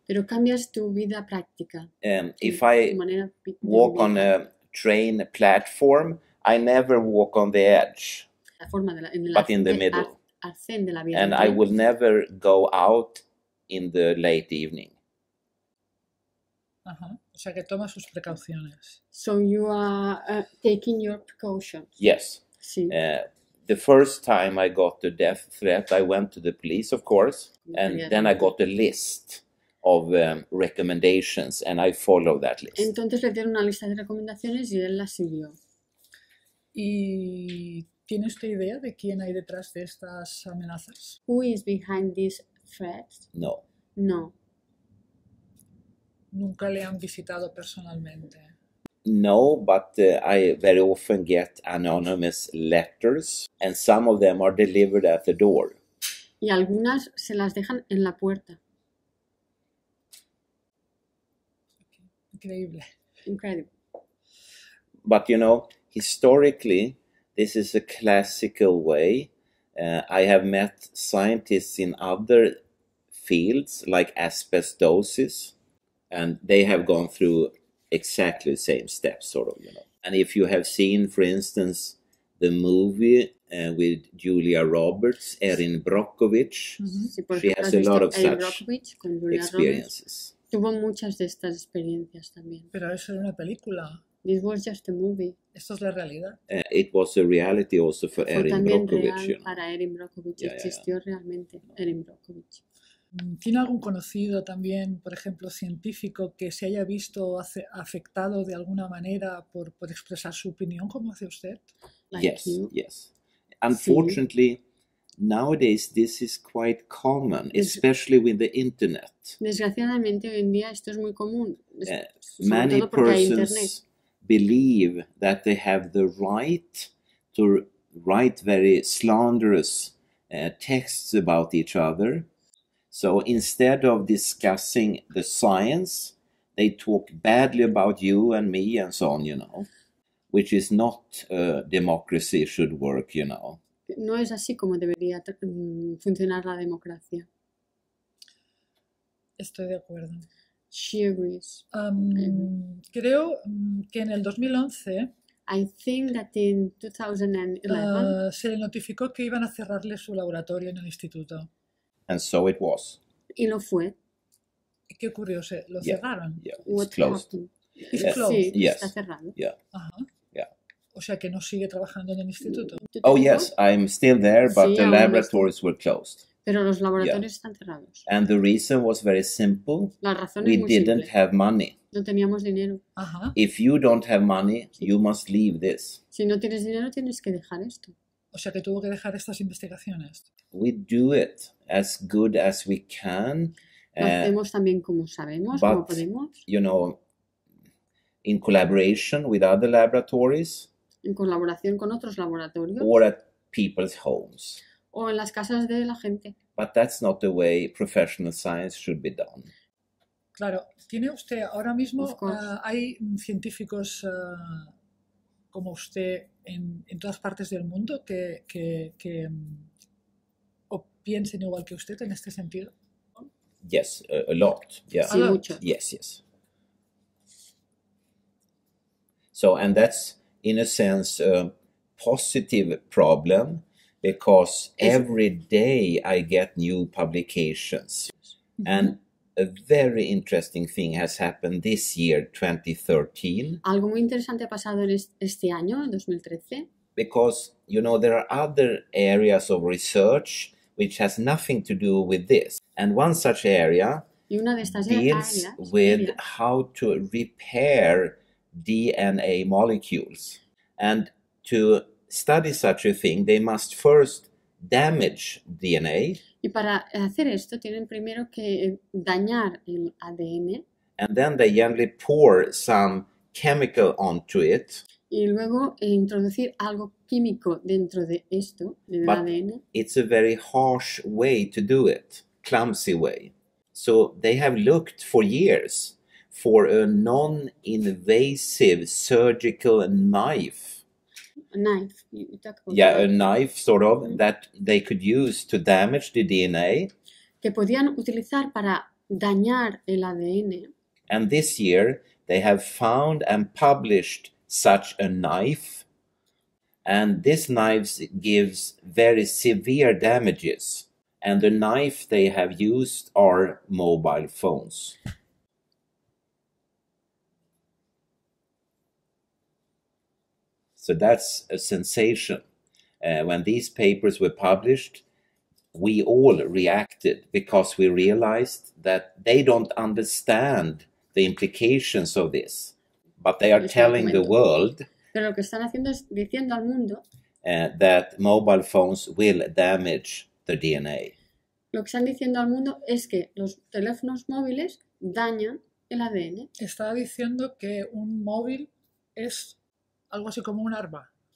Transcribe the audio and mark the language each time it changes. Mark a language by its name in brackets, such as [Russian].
[Spanish] Pero cambias tu vida práctica. [English] If I walk on a train platform, I never walk on the edge, [Spanish] la forma de la, en [English] but in the middle. [Spanish] De la vida [English] and I will never go out in the late evening. [Spanish] Uh-huh. O sea, que toma sus precauciones. [English] So you are taking your precautions. Yes. [Spanish] Sí. [English] The first time I got the death threat, I went to the police, of course, and then I got a list of recommendations, and I follow that list. [Spanish] Entonces le dieron una lista de recomendaciones y él la siguió. ¿Y tiene usted idea de quién hay detrás de estas amenazas? [English] Who is behind these threats? No. [Spanish] No. Nunca le han visitado personalmente. [English] No, but I very often get anonymous letters, and some of them are delivered at the door. [Spanish] Y algunas se las dejan en la puerta. Increíble. [English] Incredible. But you know, historically, this is a classical way. I have met scientists in other fields, like asbestosis, and they have gone through exactly the same steps, sort of, you know. And if you have seen, for instance, the movie with Julia Roberts, Erin Brockovich, mm-hmm, she has a lot of such experiences. [Spanish] Tuvo muchas de estas experiencias también. Pero eso era una película. [English] This was just a movie. [Spanish] Esto es la realidad. [English] It was a reality also for Erin Brockovich. [Spanish] Fue también real para Erin Brockovich. [English] Yeah, [Spanish] existió [English] yeah. [Spanish] Realmente Erin Brockovich. ¿Tiene algún conocido también, por ejemplo, científico, que se haya visto afectado de alguna manera por expresar su opinión, como hace usted? [English] Like yes, you. Yes. Unfortunately, sí. Nowadays this is quite common, especially with the internet. [Spanish] Desgraciadamente, hoy en día esto es muy común. [English] Many persons believe that they have the right to write very slanderous texts about each other. So instead of discussing the science, they talk badly about you and me and so on, you know, which is not democracy should work, you know. [Spanish] No es así como debería funcionar la democracia. Estoy de acuerdo. [English] She agrees. [Spanish] Creo que en el 2011... [English] I think that in 2011 [Spanish] se le notificó que iban a cerrarle su laboratorio en el instituto. [English] And so it was. [Spanish] Y lo fue. ¿Qué ocurrió? ¿Se lo cerraron? [English] Yeah. What closed. Happened? It's closed. [Spanish] Sí, yes. Está cerrado. [English] Yeah. Uh-huh. Yeah. [Spanish] O sea que no sigue trabajando en el instituto. [English] Oh yes, I'm still there, but sí, the laboratories were closed. [Spanish] Pero los laboratorios están cerrados. [English] And the reason was very simple. [Spanish] La razón es muy [English] simple. We didn't have money. [Spanish] No teníamos dinero. Ajá. [English] If you don't have money, you must leave this. [Spanish] Si no tienes dinero, tienes que dejar esto. O sea que tuvo que dejar estas investigaciones. [English] We do it as good as we can. [Spanish] Lo hacemos también como sabemos, [English] but, [Spanish] como podemos. [English] You know, in collaboration with other laboratories. [Spanish] En colaboración con otros laboratorios. [English] Or at people's homes. [Spanish] O en las casas de la gente. [English] But that's not the way professional science should be done. [Spanish] Claro, tiene usted ahora mismo, hay científicos como usted en todas partes del mundo que o piensen igual que usted en este sentido. [English] Yes, a lot. Yeah. [Spanish] Sí, mucho. [English] Yes, yes. So, and that's in a sense a positive problem because every day I get new publications. Mm-hmm. And a very interesting thing has happened this year, 2013. [Spanish] Algo muy interesante ha pasado este año, en 2013. [English] Because, you know, there are other areas of research which has nothing to do with this. And one such area deals with how to repair DNA molecules. And to study such a thing, they must first damage DNA. [Spanish] Y para hacer esto tienen primero que dañar el ADN. [English] And then they gently pour some chemical onto it. [Spanish] Y luego introducir algo químico dentro de esto, del ADN. [English] It's a very harsh way to do it, clumsy way. So they have looked for years for a non-invasive surgical knife. A knife, you talk about yeah, that. A knife, sort of, that they could use to damage the DNA. [Spanish] Que podían utilizar para dañar el ADN. [English] And this year, they have found and published such a knife. And this knife gives very severe damages. And the knife they have used are mobile phones. So that's a sensation. When these papers were published, we all reacted because we realized that they don't understand the implications of this. But they are telling the world [Spanish] pero lo que están haciendo es diciendo al mundo, [English] that mobile phones will damage the DNA. [Spanish] Lo que están diciendo al mundo es que los teléfonos móviles dañan el ADN. Está diciendo que un móvil es algo así como un arma.